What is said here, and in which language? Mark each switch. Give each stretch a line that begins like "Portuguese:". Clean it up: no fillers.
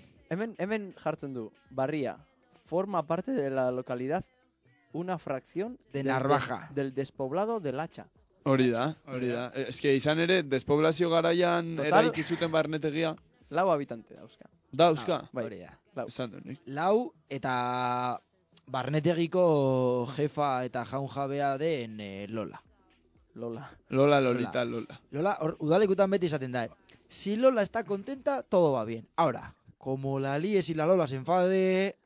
Basque: Hemen jartzen du, barria,
Spanish: forma parte de la localidad una fracción... De Narvaja. Del despoblado del Hacha.
Basque: Hori da. Ez que izan ere, despoblazio garaian eraiki zuten barnetegia. Lau habitante dauzka. Dauzka? Bai. Hori da. Lau eta barnetegiko jefa eta jaunjabea den Lola. Lola. Lola, Lolita, Lola. Lola, hor, udalekutan beti izaten da.
Spanish: Si Lola está contenta, todo va bien. Ahora, como la líes y la Lola se enfade...